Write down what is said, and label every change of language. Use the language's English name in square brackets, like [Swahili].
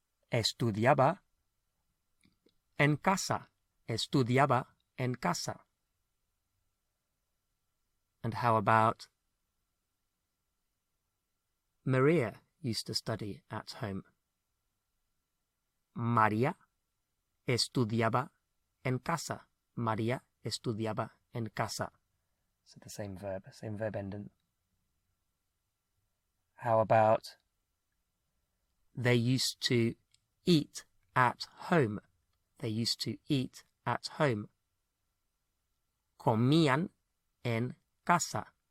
[Spanish] Estudiaba en casa. Estudiaba en casa. [English] And how about Maria used to study at home? [Spanish] Maria estudiaba en casa. Maria estudiaba en casa. [English] So the same verb ending. How about they used to eat at home? They used to eat at home. [Spanish] Comían en casa.